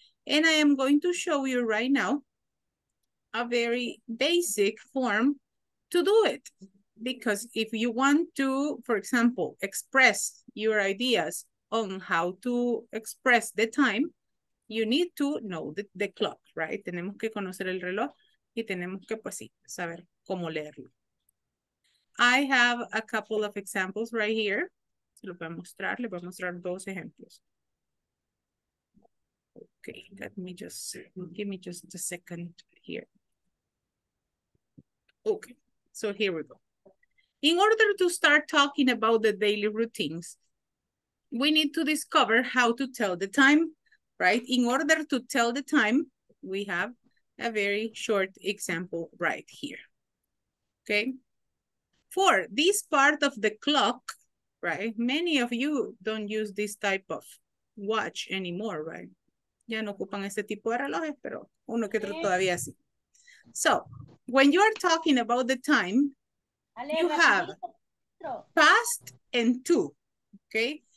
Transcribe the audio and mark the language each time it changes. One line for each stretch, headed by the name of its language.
English: And I am going to show you right now a very basic form to do it. Because if you want to, for example, express your ideas on how to express the time, you need to know the clock, right?
Spanish: Tenemos que conocer el reloj y tenemos que, pues sí, saber cómo leerlo.
English: I have a couple of examples right here.
Spanish: Se los voy a mostrar. Les voy a mostrar dos ejemplos.
English: Okay, give me just a second here. Okay, so here we go. In order to start talking about the daily routines, we need to discover how to tell the time, right? In order to tell the time, we have a very short example right here. Okay. For this part of the clock, right? Many of you don't use this type of watch anymore, right?
Spanish: Ya no ocupan ese tipo de relojes, pero uno que otro todavía sí.
English: So, when you are talking about the time, you have past and two, okay?